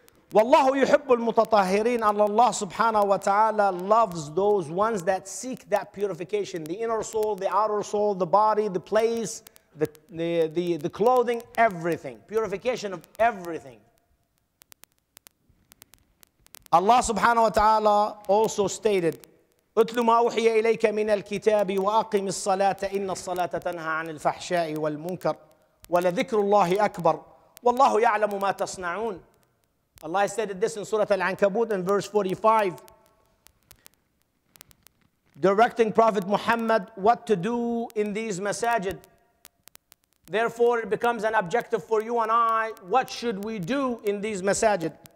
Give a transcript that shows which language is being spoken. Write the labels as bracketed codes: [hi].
[ar] Wallahu yuhibbul mutatahirin. [en] Allah subhanahu wa ta'ala loves those ones that seek that purification. The inner soul, the outer soul, the body, the place, the clothing, everything. Purification of everything. [ar] Allah subhanahu wa ta'ala [en] also stated, [ar] اتلو ما أوحي إليك من الكتاب وأقم الصلاة إن الصلاة تنهى عن الفحشاء والمنكر ولذكر الله أكبر والله يعلم ما تصنعون. [en] Allah stated this in Surah Al-Ankabut in verse 45, directing Prophet Muhammad what to do in these masajid. Therefore, it becomes an objective for you and I. What should we do in these masajid?